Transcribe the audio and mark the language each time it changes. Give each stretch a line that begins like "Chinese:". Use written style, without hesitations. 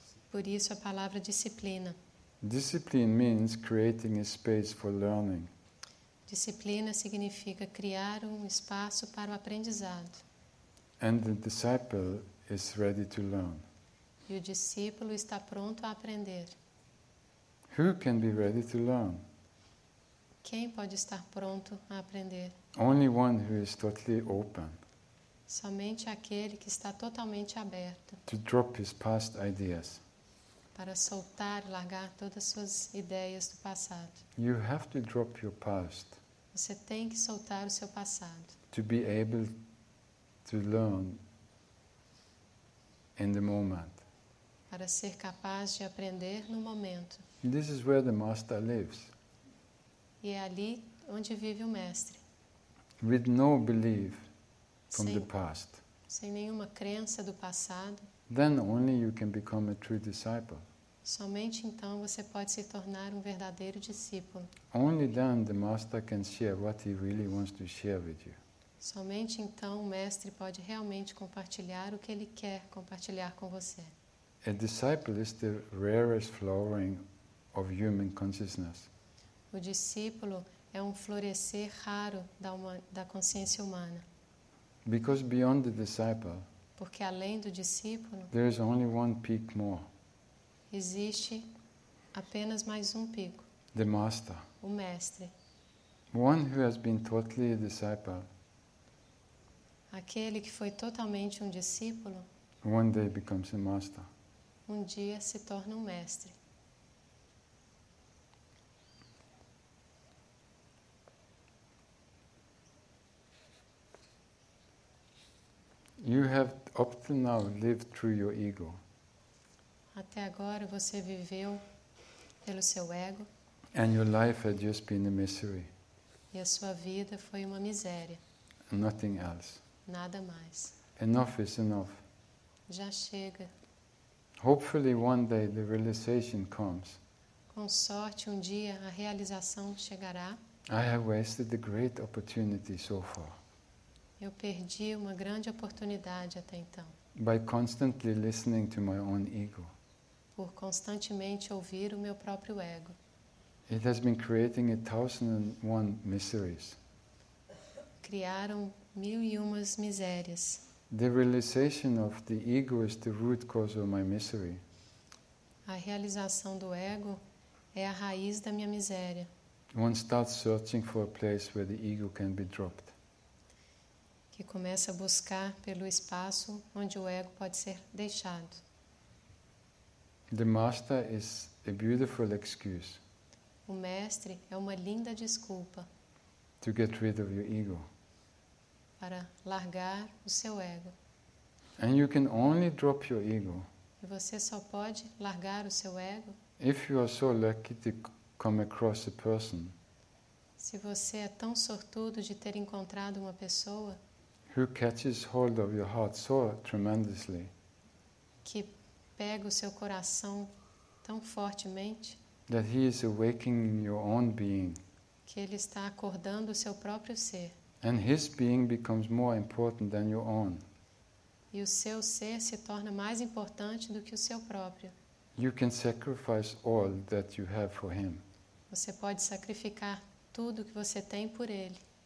Portuguese: Por isso a palavra disciplina.
English: Discipline means creating a space for learning.
Portuguese: Disciplina significa criar um espaço para o aprendizado.
English: And the disciple is ready to learn.
Portuguese: E o discípulo está pronto a aprender.
English: Who can be ready to learn?
Portuguese: Quem pode estar pronto a aprender?
English: Only one who is totally open.
Portuguese: Somente aquele que está totalmente aberto.
English: To drop his past ideas.
Portuguese: Para soltar, largar todas as suas ideias do passado.
English: You have to drop your past.
Portuguese: Você tem que soltar o seu passado.
English: To be able to learn in the moment.
Portuguese: Para ser capaz de aprender no momento.
English: This is where the master lives.
Portuguese: E é ali onde vive o mestre.
English: With no belief from the past.
Portuguese: Sem nenhuma crença do passado.
English: Then only you can become a true disciple.
Portuguese: Somente então você pode se tornar um verdadeiro discípulo.
English: Only then the master can share what he really wants to share with you.
Portuguese: Somente então o mestre pode realmente compartilhar o que ele quer compartilhar com você.
English: A disciple is the rarest flowering of human consciousness.
Portuguese: O discípulo é um florescer raro da consciência humana.
English: Because beyond the disciple.
Portuguese: Porque além do discípulo.
English: There is only one peak more.
Portuguese: Existe apenas mais um pico.
English: The master.
Portuguese: O mestre.
English: One who has been totally a disciple.
Portuguese: Aquele que foi totalmente um discípulo.
English: One day becomes a master.
Portuguese: Um dia se torna um mestre.
English: You have up to now lived through your ego.
Portuguese: Até agora você viveu pelo seu ego.
English: And your life had just been a misery.
Portuguese: E a sua vida foi uma miséria.
English: Nothing else.
Portuguese: Nada mais.
English: Enough is enough.
Portuguese: Já chega.
English: Hopefully one day the realization comes.
Portuguese: Com sorte um dia a realização chegará.
English: I have wasted the great opportunity so far.
Portuguese: Eu perdi uma grande oportunidade até então.
English: By constantly listening to my own ego.
Portuguese: Por constantemente ouvir o meu próprio ego.
English: It has been creating 1,001 miseries.
Portuguese: Criaram mil e umas misérias.
English: The realization of the ego is the root cause of my misery.
Portuguese: A realização do ego é a raiz da minha miséria.
English: One starts searching for a place where the ego can be dropped.
Portuguese: Que começa a buscar pelo espaço onde o ego pode ser deixado.
English: The master is a beautiful excuse.
Portuguese: O mestre é uma linda desculpa.
English: To get rid of your ego.
Portuguese: Para largar o seu ego.
English: And you can only drop your ego.
Portuguese: E você só pode largar o seu ego.
English: If you are so lucky to come across a person.
Portuguese: Se você é tão sortudo de ter encontrado uma pessoa.
English: Who catches hold of your heart so tremendously.
Portuguese: Que pega o seu coração tão fortemente.
English: That he is awakening your own being.
Portuguese: Que ele está acordando o seu próprio ser.
English: And his being becomes more important than your own.
Portuguese: E o seu ser se torna mais importante do que o seu próprio.
English: You can sacrifice all that you have for him.
Portuguese: Você pode sacrificar tudo que você tem por ele.